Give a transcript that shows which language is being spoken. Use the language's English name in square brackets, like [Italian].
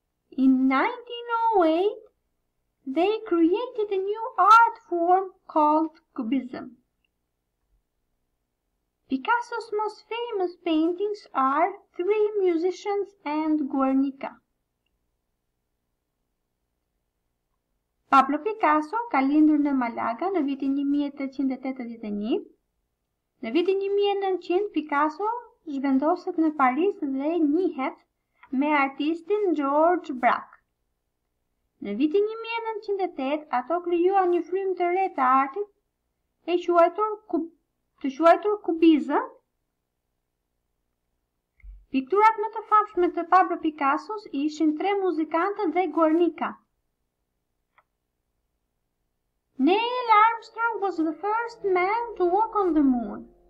[English] In 1908, they created a new art form called Cubism. Picasso's most famous paintings are Three Musicians and Guernica. [Albanian] Pablo Picasso ka lindur në Malaga në vitin 1881. Në vitin 1900, Picasso zhvendoset në Paris dhe njihet me artistin George Braque. Në vitin 1908, ato krijuan një frymë të re të artit, e quajtur kubizëm. Pikturat më të famshme të Pablo Picassos ishin Tre Muzikante dhe Guernica. [English] Neil Armstrong was the first man to walk on the moon.